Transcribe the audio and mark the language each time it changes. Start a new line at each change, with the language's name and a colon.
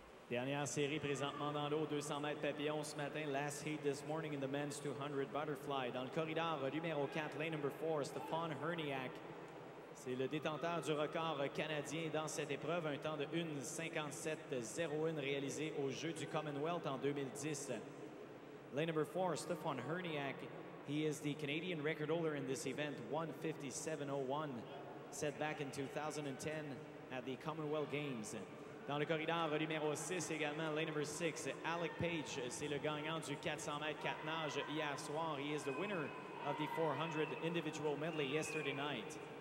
French: Dernière série présentement dans l'eau, 200 mètres papillon ce matin.
English: Last heat this morning in the men's 200 butterfly.
French: Dans le corridor numéro 4,
English: lane number 4,
French: Stefan Herniak. C'est le détenteur du record canadien dans cette épreuve. Un temps de 1:57.01 réalisé aux Jeux du Commonwealth en 2010.
English: Lane number 4, Stefan Herniak. He is the Canadian record holder in this event. 1:57.01 set back in 2010 at the Commonwealth Games.
French: Dans le corridor numéro 6 également,
English: lane number 6,
French: Alec Page, c'est le gagnant du 400 mètres 4 nages hier soir.
English: He is the winner of the 400 individual medley yesterday night.